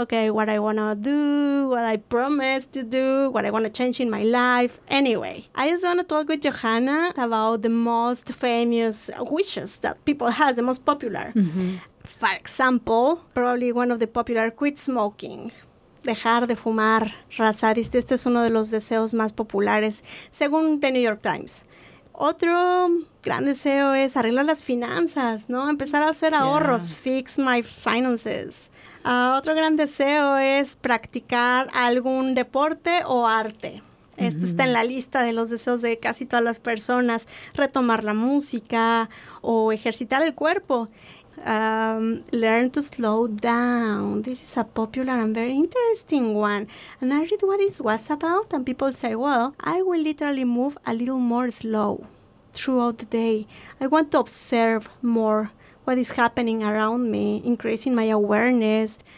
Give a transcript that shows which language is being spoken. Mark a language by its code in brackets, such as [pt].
[en] Okay, what I want to do, what I promised to do, what I want to change in my life. Anyway, I just want to talk with Johanna about the most famous wishes that people have, the most popular. For example, probably one of the popular, quit smoking. [es] Dejar de fumar, raza. Este es uno de los deseos más populares, según The New York Times. Otro gran deseo es arreglar las finanzas, ¿no? Empezar a hacer ahorros, [en] fix my finances. [es] Otro gran deseo es practicar algún deporte o arte. Esto está en la lista de los deseos de casi todas las personas. Retomar la música o ejercitar el cuerpo. [en] Learn to slow down. This is a popular and very interesting one. And I read what it was about, and people say, well, I will literally move a little more slow throughout the day. I want to observe more what is happening around me, increasing my awareness.